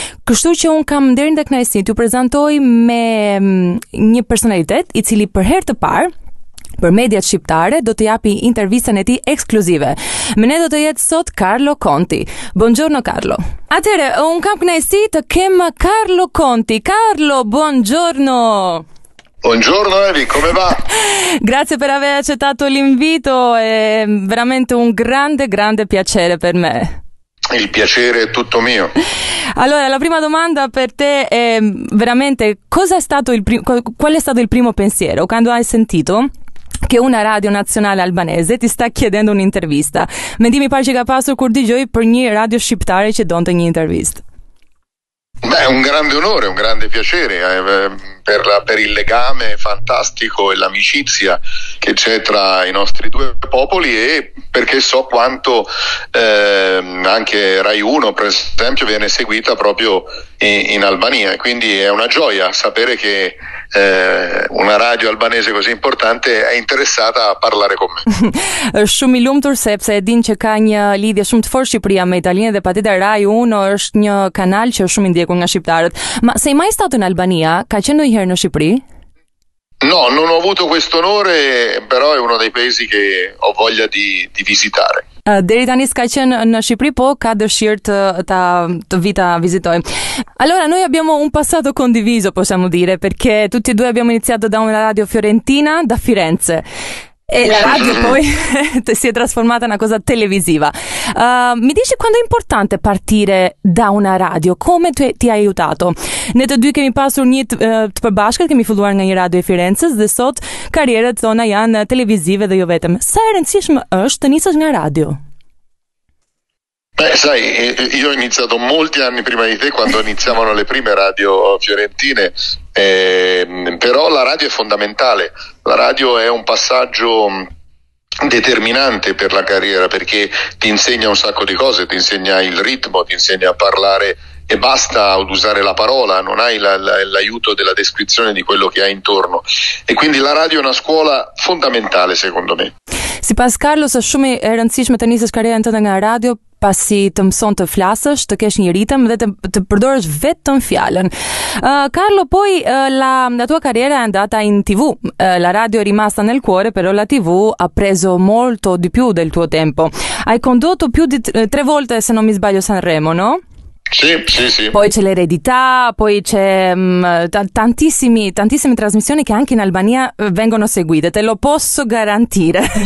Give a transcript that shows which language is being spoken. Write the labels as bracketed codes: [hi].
[sq] Kështu që un kam nderin dhe kënaqësi t'ju prezantoj me një personalitet i cili për herë të parë për mediat shqiptare do të japi intervistën e tij ekskluzive. Me ne do të jetë sot Carlo Conti. [it] Buongiorno Carlo. [sq] Atëre, un kam kënaqësi të kem Carlo Conti. [it] Carlo, buongiorno. Buongiorno Evi, come va? Grazie per aver accettato l'invito, è veramente un grande grande piacere per me. Il piacere è tutto mio. Allora, la prima domanda per te è veramente cosa è stato il qual è stato il primo pensiero quando hai sentito che una radio nazionale albanese ti sta chiedendo un'intervista? [sq] Mendimi pari që ka pasur kur dëgjoj për një radio shqiptare që donte një intervistë. [it] Beh, un grande onore, un grande piacere per il legame fantastico e l'amicizia che c'è tra i nostri due popoli e perché so quanto anche Rai 1, per esempio, viene seguita proprio in Albania. Quindi è una gioia sapere che una radio albanese così importante è interessata a parlare con me. [sq] Shumë i lumtur sepse e din që ka një lidhje shumë të fortë Shqipëria me Italinë dhe patjetër Rai 1 është një kanal që është shumë i ndjekur nga shqiptarët. [it] Ma se mai stato in Albania, [sq] ka qenë ndonjëherë në Shqipëri? [it] No, non ho avuto questo onore, però è uno dei paesi che ho voglia di visitare. [sq] Deri tani s'ka qenë në Shqipëri, po ka dëshirë të vita vizitoj. [it] Allora, noi abbiamo un passato condiviso, possiamo dire, perché tutti e due abbiamo iniziato da una radio fiorentina, da Firenze. E la radio poi si è trasformata in una cosa televisiva. Mi dici quando è importante partire da una radio? Come ti ha aiutato? [sq] Ne të dy kemi pasur një të përbashkët, kemi filluar nga një radio e Firenzës dhe sot karrierët tona janë televizive dhe jo vetëm. Sa e rëndësishme është të nisësh nga radio? [it] Beh, sai, io ho iniziato molti anni prima di te quando iniziavano le prime radio fiorentine, però la radio è fondamentale, la radio è un passaggio determinante per la carriera perché ti insegna un sacco di cose, ti insegna il ritmo, ti insegna a parlare e basta ad usare la parola, non hai l'aiuto della descrizione di quello che hai intorno e quindi la radio è una scuola fondamentale secondo me. [sq] Si pas Carlo, se shumë e rëndësishme të nisësh karrierën tënde nga radio pasi të mëson të flasësh, të kesh një ritëm dhe të përdorësh vetëm fjalën. [it] Carlo, poi la tua carriera è andata in TV. La radio è rimasta nel cuore, però la TV ha preso molto di più del tuo tempo. Hai condotto più di tre volte, se non mi sbaglio, Sanremo, no? Sì, sì, sì. Poi c'è L'Eredità, poi c'è tantissime trasmissioni che anche in Albania vengono seguite, te lo posso garantire.